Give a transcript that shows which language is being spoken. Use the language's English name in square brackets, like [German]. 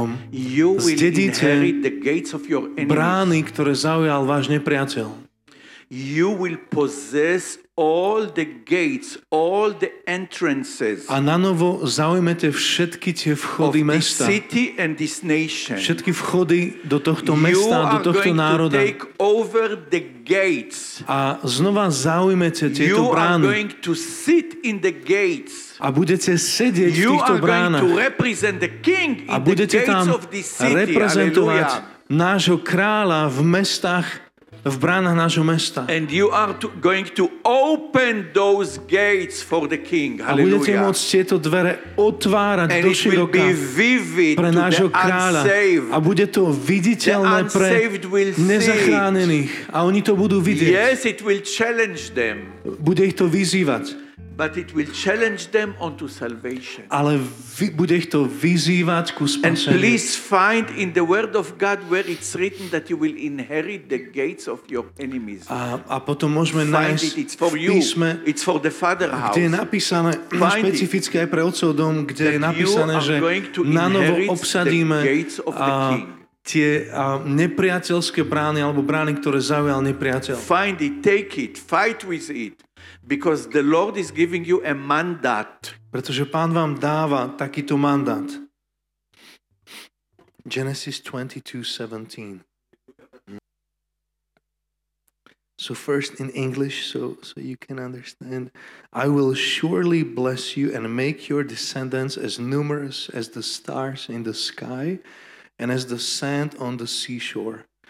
[English] You will inherit the gates of your enemies. [Slovak] Brány, ktoré zaujal váš nepriateľ. [English] You will possess all the gates, all the entrances. [Slovak] A nanovo zaujmete všetky tie vchody mesta. [English] This city and this nation. [Slovak] Všetky vchody do tohto mesta, do tohto národa. [English] You are going to take over the gates. [Slovak] A znova zaujmete tieto brány. [English] You are going to sit in the gates. [Slovak] A budete sedieť [English] you [Slovak] v týchto bránach. [English] You are going to represent the king in [Slovak] a budete [English] the gates of this city. [Slovak] Reprezentovať Alleluja. Nášho kráľa v mestách, v bránach nášho mesta. [English] And you are going to open those gates for the king. [Slovak] Alleluja. A budete môcť tieto dvere otvárať [English] and [Slovak] do široka pre nášho kráľa. [English] Unsaved. [Slovak] A bude to viditeľné pre nezachránených. A oni to budú vidieť. [English] Yes, it will challenge them. [Slovak] Bude ich to vyzývať. [English] But it will challenge them onto salvation. [Slovak] Ale bude ich to vyzývať ku spaseniu. [English] And please find in the word of God where it's written that you will inherit the gates of your enemies. [Slovak] A potom môžeme [English] find [Slovak] nájsť [English] it. It's for [Slovak] v písme, [English] you. It's for the father house. [Slovak] Kde je napísané špecificky aj pre otcov dom, kde je napísané, že na novo obsadíme tie nepriateľské brány alebo brány, ktoré zaujal nepriateľ. [English] Find it, take it, fight with it. Because the Lord is giving you a mandate. [Slovak] Pretože Pán vám dáva takýto mandát. [English] Genesis 22:17. So first in English so you can understand. I will surely bless you and make your descendants as numerous as the stars in the sky and as the sand on the seashore.